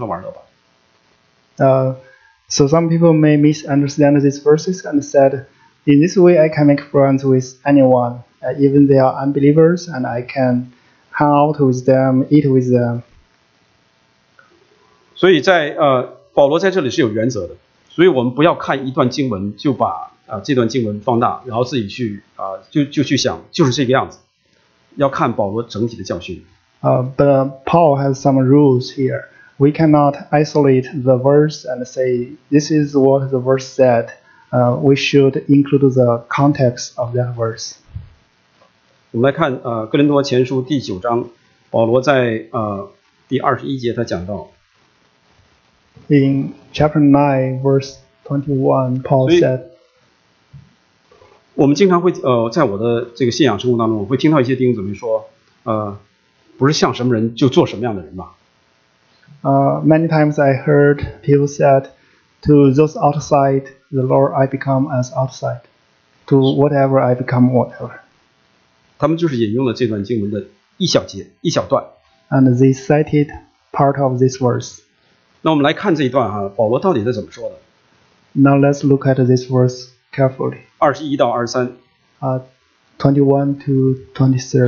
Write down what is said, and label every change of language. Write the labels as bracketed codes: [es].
[zh] 那这段经文，也很容易让一些人就说，哦，既然是这样的话，可以和不信主的那些犯淫乱的、拜偶像的、醉酒的，我可以跟他们交往。那好，我和他们吃喝玩乐吧。So [en] some people may misunderstand these verses and said, in this way, I can make friends with anyone. Even they are unbelievers, and I can hang out with them, eat with them. [zh] 所以在保罗在这里是有原则的，所以我们不要看一段经文就把这段经文放大，然后自己去想就是这个样子，要看保罗整体的教训。But [en] Paul has some rules here. We cannot isolate the verse and say this is what the verse said. We should include the context of that verse. [zh] 我们来看《哥林多前书》第9章，保罗在第21节他讲到。 [en] In chapter 9, verse 21, Paul said. [zh] 我们经常会在我的这个信仰生活当中，我会听到一些弟兄姊妹说，不是像什么人就做什么样的人嘛。 [en] Many times I heard people said, to those outside the Lord I become as outside, to whatever I become whatever. [zh] 他们就是引用了这段经文的一小节一小段。 [en] And they cited part of this verse. [zh] 那我们来看这一段哈，保罗到底是怎么说的？ [en] Now let's look at this verse carefully. [zh] 21到23。 [en] 21 to 23.